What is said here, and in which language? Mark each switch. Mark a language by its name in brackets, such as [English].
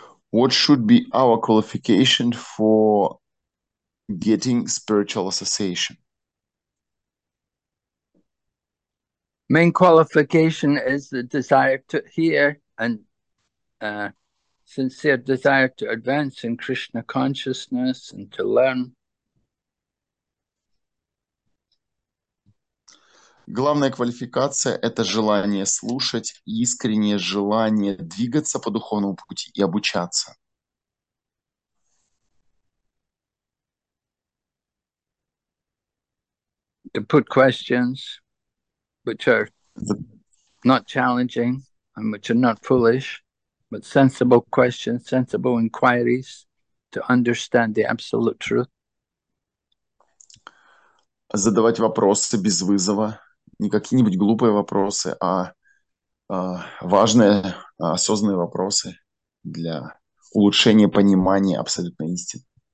[English] What should be our qualification for getting spiritual association? Main qualification is the desire to hear and sincere desire to advance in Krishna consciousness and to learn. [Russian] Главная квалификация – это желание слушать, искреннее желание двигаться по духовному пути и обучаться. [English] To put questions which are not challenging and which are not foolish, but sensible questions, sensible inquiries to understand the absolute truth. [Russian] Задавать вопросы без вызова. Не какие-нибудь глупые вопросы, а важные, осознанные вопросы для улучшения понимания абсолютной истины.